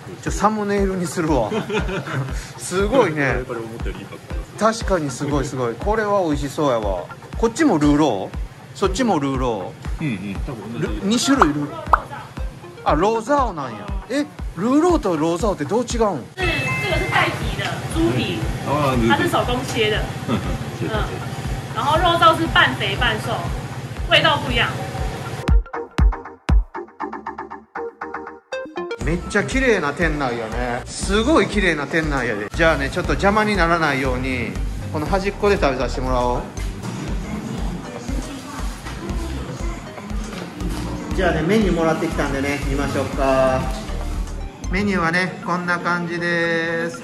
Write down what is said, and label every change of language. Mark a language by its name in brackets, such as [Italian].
[Japanese] ちょ、サムネイルにするわ。すごいね。確かにすごいすごい。これは美味しそうやわ。こっちもルーロー？そっちもルーロー？うんうん、多分2種類ルーロー。あ、ローザオなんや。え、ルーローとローザオってどう違うん？ [Chinese] 这个是代替的猪皮，它是手工切的。然后肉燥是半肥半瘦，味道不一样。 [Japanese] めっちゃ綺麗な店内やね。すごい綺麗な店内やで。じゃあね、ちょっと邪魔にならないようにこの端っこで食べさせてもらおう。じゃあね、メニューもらってきたんでね、見ましょうか。メニューはね、こんな感じです。